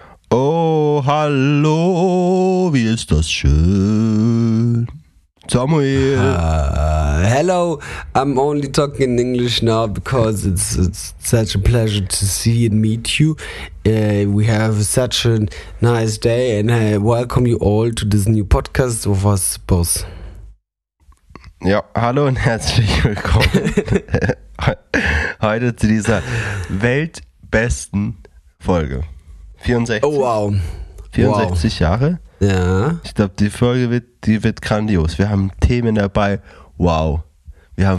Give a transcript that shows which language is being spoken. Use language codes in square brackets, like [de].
[de] Oh, hallo, wie ist das schön? Samuel. [en] Hello, I'm only talking in English now because it's such a pleasure to see and meet you. We have such a nice day and I welcome you all to this new podcast of us, boss. [de] Ja, hallo und herzlich willkommen heute zu dieser weltbesten Folge. 64? Wow. 64 Jahre? Ja. Ich glaube, die Folge wird grandios. Wir haben Themen dabei. Wow. Wir haben